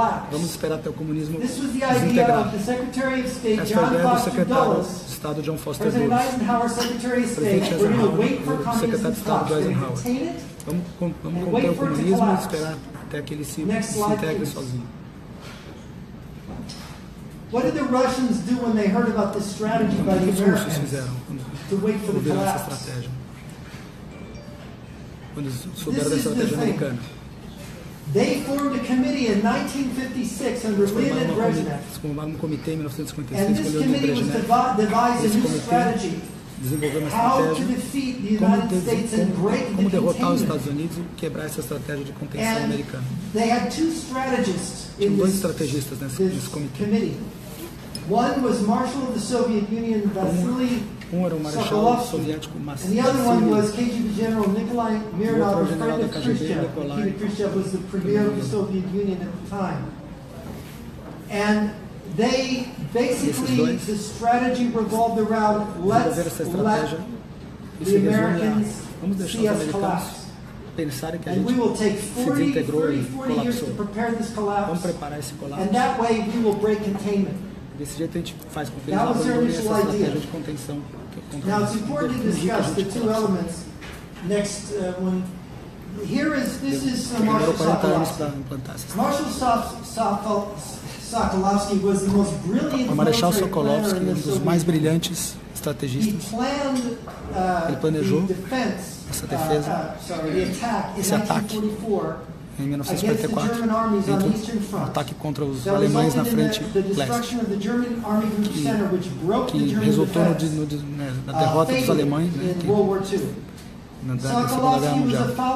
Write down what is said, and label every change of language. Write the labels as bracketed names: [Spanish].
[Portuguese] Vamos esperar até o comunismo desintegrar. Essa foi a ideia do secretário de Estado John Foster Dulles. Presidente Eisenhower, o secretário de Estado de Eisenhower. Vamos conter o comunismo e esperar até que ele se integre sozinho. [English] What did the Russians do when they heard about this strategy by the Americans? [Portuguese] O que os russos fizeram quando viram essa estratégia? Quando souberam da estratégia americana? [English] They formed a committee in 1956 under Leonid Brezhnev. [Portuguese] Eles formaram um comitê em 1956 com Leonid Brezhnev. [English] And this committee was devised a new strategy. [Portuguese] Desenvolveu uma estratégia. Como derrotar os Estados Unidos e quebrar essa estratégia de contenção americana. [English] They had two strategists in this committee. One was Marshal of the Soviet Union Vasily [Portuguese] Soviético, [English] and the other one was KGB General Nikolai Mironov, a friend of Khrushchev. Nikita Khrushchev was the premier of the Soviet Union at the time. And they basically, the strategy revolved around let the Americans see us collapse. And we will take 40 years to prepare this collapse. And that way we will break containment. [Portuguese] Desse jeito a gente faz com que eles abandonem essa estratégia de contenção. [English] Now it's important to discuss the two elements. Next one. This is Marshal Sokolovsky was the most brilliant. [Portuguese] O Marechal Sokolovsky é um dos mais brilhantes estrategistas. Ele planejou essa defesa, esse ataque. Em 1944, um ataque contra os alemães na frente leste, que resultou na derrota dos alemães, né, que, na Segunda Guerra Mundial.